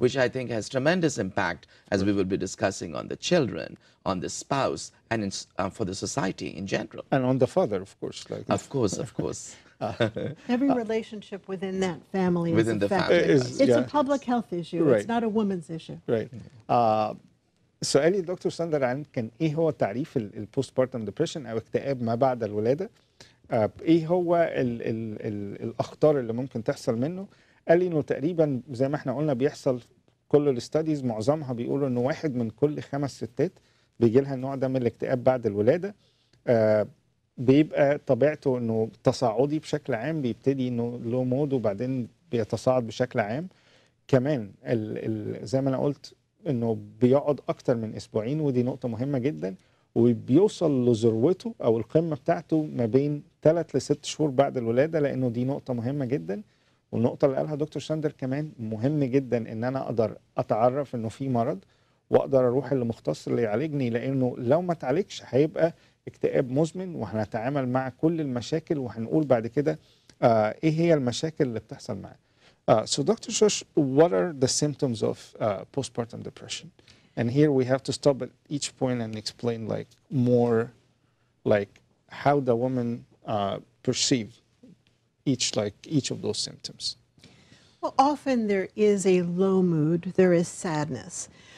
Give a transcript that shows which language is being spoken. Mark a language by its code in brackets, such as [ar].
[en] which I think has tremendous impact, as we will be discussing, on the children, on the spouse, and in, for the society in general. And on the father, of course. Like of course, of course. Every relationship within that family within is the affected. Family. It's a public health issue. Right. It's not a woman's issue. Right. [ar] سؤالي دكتور ساندر عن كان إيه هو تعريف البوستبارتم ديبريشن أو اكتئاب ما بعد الولادة؟ إيه هو الأخطار اللي ممكن تحصل منه؟ قال لي إنه تقريبا زي ما إحنا قلنا بيحصل كل الستاديز معظمها بيقولوا إنه 1 من كل 5 ستات بيجي لها النوع ده من الاكتئاب بعد الولادة. بيبقى طبيعته إنه تصاعدي بشكل عام، بيبتدي إنه لو مود وبعدين بيتصاعد بشكل عام. كمان زي ما أنا قلت إنه بيقعد أكتر من 2 أسبوع، ودي نقطة مهمة جدا، وبيوصل لذروته أو القمة بتاعته ما بين 3 ل6 شهور بعد الولادة، لأنه دي نقطة مهمة جدا. والنقطة اللي قالها دكتور ساندر كمان مهم جدا، إن أنا أقدر أتعرف إنه في مرض وأقدر أروح للمختص اللي يعالجني، لأنه لو ما تعالجش هيبقى اكتئاب مزمن، وهنتعامل مع كل المشاكل، وهنقول بعد كده إيه هي المشاكل اللي بتحصل معاه. [en] So Dr. Shosh, what are the symptoms of postpartum depression? And here we have to stop at each point and explain like more like how the woman perceive each like each of those symptoms. Well, often there is a low mood, there is sadness.